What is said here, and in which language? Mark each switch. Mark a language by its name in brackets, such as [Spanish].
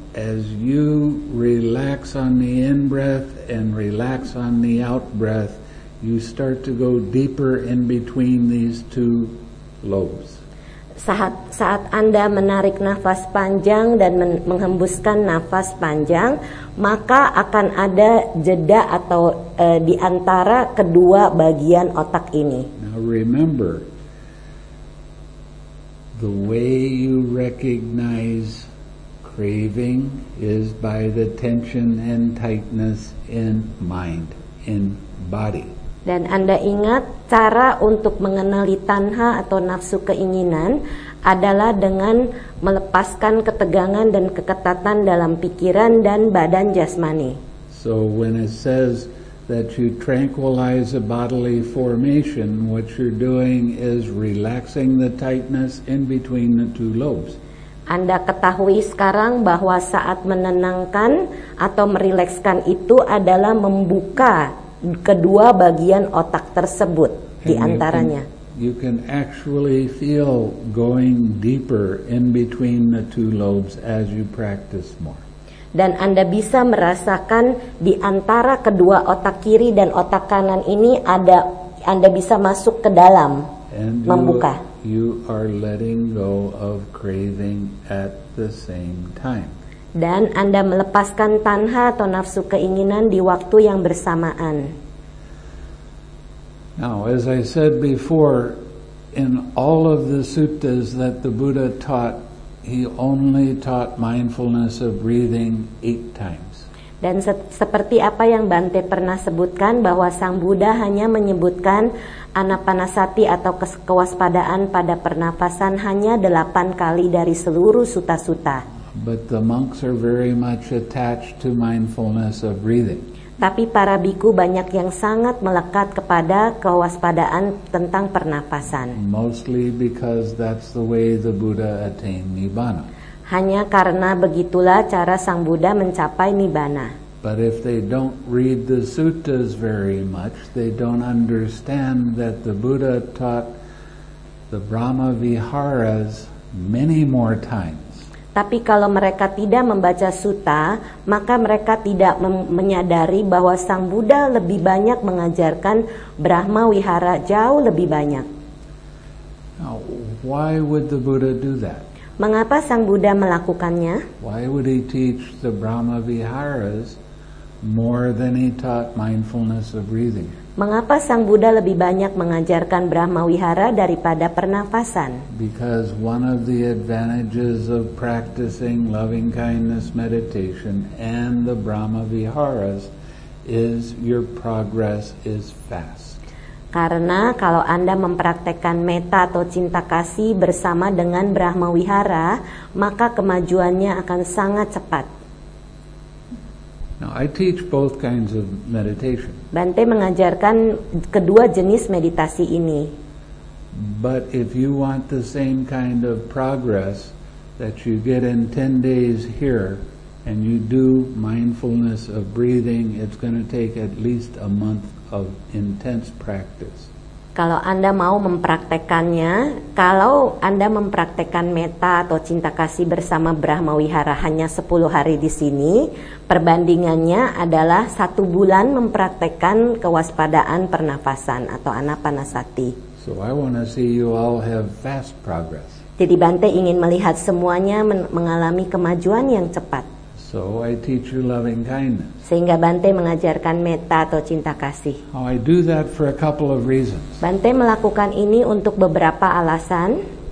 [English] As you relax on the in-breath and relax on the out-breath, you start to go deeper in between these two lobes. [Indonesian] Saat Anda menarik nafas panjang dan menghembuskan nafas panjang, maka akan ada jeda atau di antara kedua bagian otak ini. [English] Now remember, the way you recognize craving is by the tension and tightness in mind, in body. [Indonesian] Dan Anda ingat cara untuk mengenali tanha atau nafsu keinginan adalah dengan melepaskan ketegangan dan keketatan dalam pikiran dan badan jasmani. [English] So when it says that you tranquilize a bodily formation, what you're doing is relaxing the tightness in between the two lobes. [Indonesian] Anda ketahui sekarang bahwa saat menenangkan atau merilekskan itu adalah membuka kedua bagian otak tersebut di antaranya. [English] You can actually feel going deeper in between the two lobes as you practice more. [Indonesian] Dan Anda bisa merasakan di antara kedua otak kiri dan otak kanan ini ada, Anda bisa masuk ke dalam, membuka. [English] You are letting go of craving at the same time. [Indonesian] Dan Anda melepaskan tanha atau nafsu keinginan di waktu yang bersamaan. [English] Now, as I said before, in all of the suttas that the Buddha taught, he only taught mindfulness of breathing 8 times. [Indonesian] Dan seperti apa yang Bante pernah sebutkan, bahwa Sang Buddha hanya menyebutkan anapanasati atau kewaspadaan pada pernapasan hanya 8 kali dari seluruh sutta-sutta. [English] But the monks are very much attached to mindfulness of breathing. [Indonesian] Tapi para bhikkhu banyak yang sangat melekat kepada kewaspadaan tentang pernapasan. [English] Mostly because that's the way the Buddha attained nibbana. [Indonesian] Hanya karena begitulah cara Sang Buddha mencapai nibbana. [English] But if they don't read the suttas very much, they don't understand that the Buddha taught the Brahma Viharas many more times. [Indonesian] Tapi kalau mereka tidak membaca sutta, maka mereka tidak menyadari bahwa Sang Buddha lebih banyak mengajarkan Brahma Wihara jauh lebih banyak. [English] Now, why would the Buddha do that? [Indonesian] Mengapa Sang Buddha melakukannya? [English] Why would he teach the Brahma Viharas more than he taught mindfulness of breathing? [Indonesian] Mengapa Sang Buddha lebih banyak mengajarkan Brahma Wihara daripada pernafasan? [English] Because one of the advantages of practicing loving kindness meditation and the Brahma Viharas is your progress is fast. [Indonesian] Karena kalau Anda mempraktekkan metta atau cinta kasih bersama dengan Brahma Wihara, maka kemajuannya akan sangat cepat. [English] Now, I teach both kinds of meditation. [Indonesian] Bante mengajarkan kedua jenis meditasi ini. [English] But if you want the same kind of progress that you get in 10 days here and you do mindfulness of breathing, it's going to take at least a month of intense practice. [Indonesian] Kalau Anda mau mempraktekannya, kalau Anda mempraktekkan metta atau cinta kasih bersama Brahma Wihara hanya 10 hari di sini, perbandingannya adalah 1 bulan mempraktekkan kewaspadaan pernafasan atau anapanasati. [English] So I want to see you all have fast progress. [Indonesian] Jadi Bante ingin melihat semuanya mengalami kemajuan yang cepat. [English] So I teach you loving kindness. [Indonesian] Sehingga Bante mengajarkan metta atau cinta kasih. [English] Oh, I do that for a couple of reasons. [Indonesian] Bante melakukan ini untuk beberapa alasan.